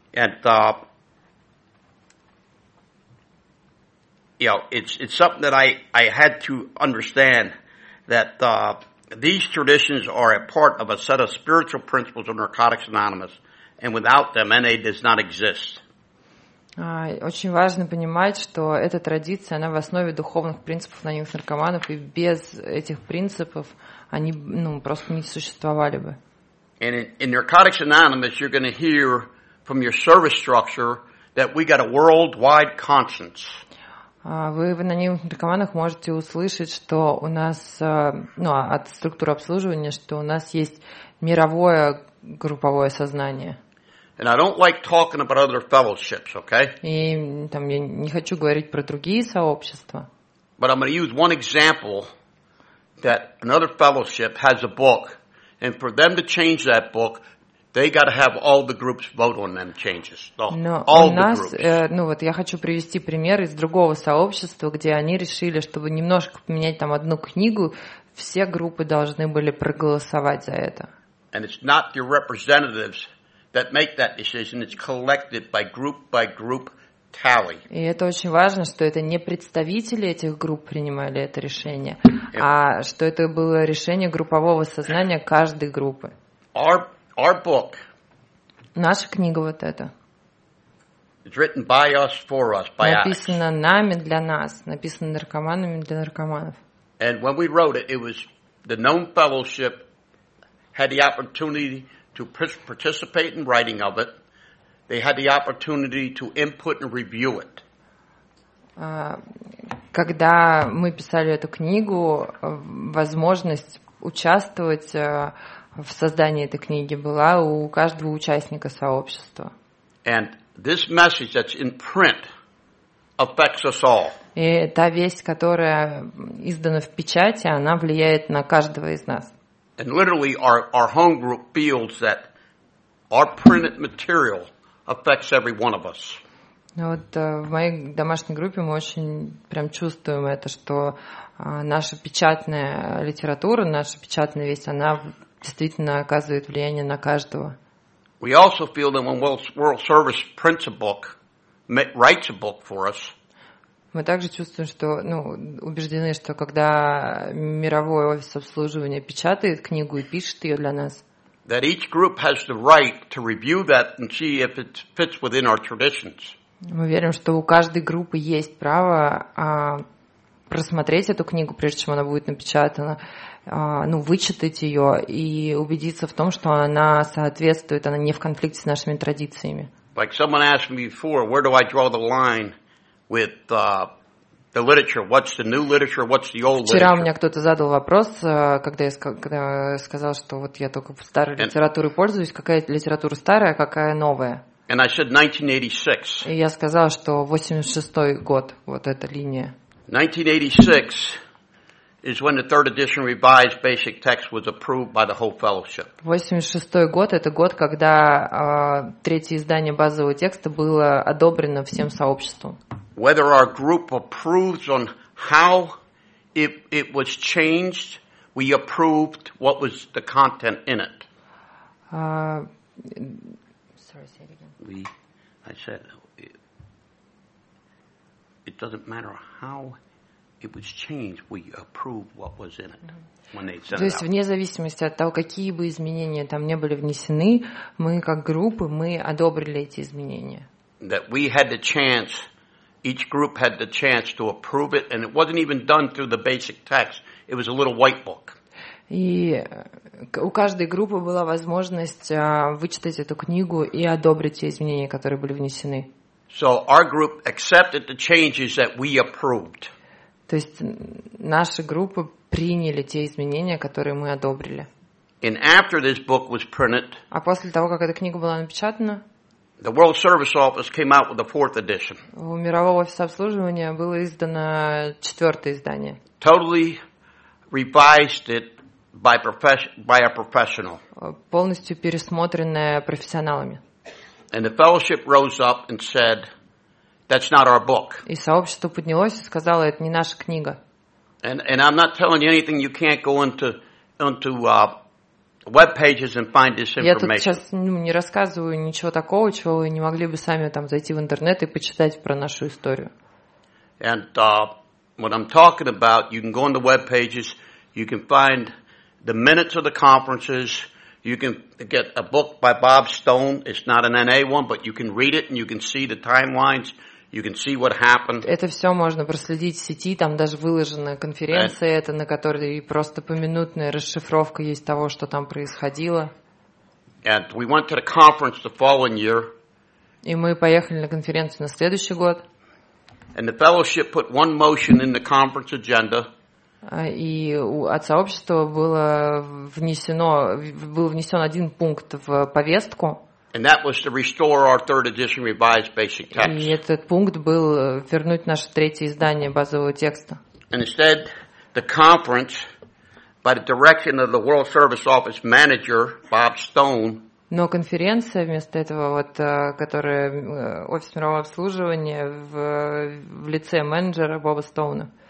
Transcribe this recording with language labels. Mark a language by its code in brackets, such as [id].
[en] And it's something that I had to understand that these traditions are a part of a set of spiritual principles of Narcotics Anonymous, and without them, NA does not exist. [ru] Очень важно понимать, что эта традиция, она в основе духовных принципов анонимных наркоманов, и без этих принципов они, ну, просто не существовали бы. [en] In Narcotics Anonymous, you're going to hear from your service structure that we got a worldwide conscience. [ru] Вы в анонимных наркоманах можете услышать, что у нас, ну, от структуры обслуживания, что у нас есть мировое групповое сознание. [en] And I don't like talking about other fellowships, okay? [ru] И там я не хочу говорить про другие сообщества. [en] But I'm going to use one example that another fellowship has a book, and for them to change that book, they got to have all the groups vote on them changes. [ru] Но [en] all [ru] у нас, [en] the groups. [ru] Ну вот я хочу привести пример из другого сообщества, где они решили, чтобы немножко поменять там одну книгу, все группы должны были проголосовать за это. [en] And it's not your representatives that make that decision, it's collected by group tally. [ru] И это очень важно, что это не представители этих групп принимали это решение, а что это было решение группового сознания каждой группы. [en] Our book. [ru] Наша книга вот эта. [en] It's written by us for us, by us. [ru] Написано нами для нас, написано наркоманами для наркоманов. [en] And when we wrote it, it was the known fellowship had the opportunity to participate in writing of it, they had the opportunity to input and review it. [ru] Когда мы писали эту книгу, возможность участвовать в создании этой книги была у каждого участника сообщества. [en] And this message that's in print affects us all. [ru] И та весть, которая издана в печати, она влияет на каждого из нас. [en] And literally, our home group feels that our printed material affects every one of us. [ru] Вот в моей домашней группе мы очень прям чувствуем это, что наша печатная литература, наша печатная весть, она действительно оказывает влияние на каждого. [en] We also feel that when World Service Principle book writes a book for us. [ru] Мы также чувствуем, что, ну, убеждены, что когда мировой офис обслуживания печатает книгу и пишет ее для нас, [en] that each group has the right to review that and see if it fits within our traditions. [ru] Мы верим, что у каждой группы есть право просмотреть эту книгу, прежде чем она будет напечатана, ну, вычитать ее и убедиться в том, что она соответствует, она не в конфликте с нашими традициями. [en] Like someone asked me before, where do I draw the line with the literature? What's the new literature? What's the old literature? [ru] Вчера у меня кто-то задал вопрос, когда я сказал, что вот я только старой литературой пользуюсь, какая литература старая, а какая новая? [en] And I said 1986. [ru] И я сказал, что 86-й год, вот эта линия. [en] 1986 is when the third edition revised basic text was approved by the whole fellowship. [ru] 86-й год – это год, когда третье издание базового текста было одобрено всем сообществом. [en] Whether our group approves on how it was changed, we approved what was the content in it. Sorry, say it again. It doesn't matter how it was changed, we approve what was in it when they sent it out. [ru] То есть вне зависимости от того, какие бы изменения там не были внесены, мы как группы мы одобрили эти изменения. [en] That we had the chance, each group had the chance to approve it, and it wasn't even done through the basic text. It was a little white book. [ru] И у каждой группы была возможность вычитать эту книгу и одобрить те изменения, которые были внесены. [en] So our group accepted the changes that we approved. [ru] То есть наши группы приняли те изменения, которые мы одобрили. [en] And after this book was printed, [ru] а после того, как эта книга была напечатана, [en] the World Service Office came out with the fourth edition. [ru] У Мирового офиса обслуживания было издано четвертое издание. [en] Totally revised it by a professional. [ru] Полностью пересмотренное профессионалами. [en] And the fellowship rose up and said, "That's not our book." [ru] И сообщество поднялось и сказало, это не наша книга. [en] And I'm not telling you anything. You can't go into web pages and find this information. [ru] Я тут сейчас не рассказываю ничего такого, чего вы не могли бы сами там зайти в интернет и почитать про нашу историю. [en] And what I'm talking about, you can go on the web pages, you can find the minutes of the conferences. You can get a book by Bob Stone. It's not an NA one, but you can read it and you can see the timelines. You can see what happened. [ru] Это все можно проследить в сети. Там даже выложена конференция, это на которой просто поминутная расшифровка есть того, что там происходило. [en] And we went to the conference the following year. [ru] И мы поехали на конференцию на следующий год. [en] And the fellowship put one motion in the conference agenda. [ru] И от сообщества был внесен один пункт в повестку. [en] And that was to restore our third edition revised basic text. [ru] И этот пункт был вернуть наше третье издание базового текста. [en] And instead, the conference, by the direction of the World Service Office manager, Bob Stone, [ru] но конференция вместо этого, вот, которая офис мирового обслуживания в лице менеджера Боба Стоуна,